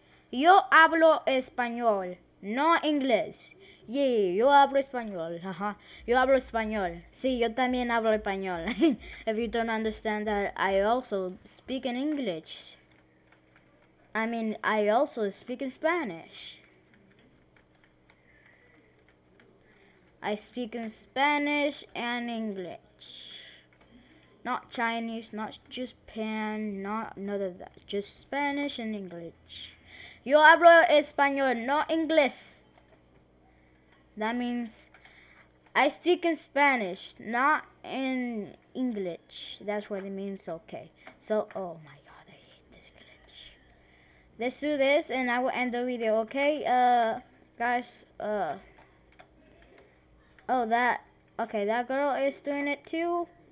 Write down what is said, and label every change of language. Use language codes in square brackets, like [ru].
[es] Yo hablo español, no inglés. Yeah, yo hablo español. Yo hablo español. Sí, yo también hablo español. [en] If you don't understand that, I also speak in English. I mean, I also speak in Spanish. I speak in Spanish and English. Not Chinese, not Japan, not none of that. Just Spanish and English. [es] Yo hablo español, no inglés. [en] That means I speak in Spanish, not in English. That's what it means, okay. So, oh my god, I hate this glitch. Let's do this and I will end the video, okay? Guys, oh, that, okay, that girl is doing it too.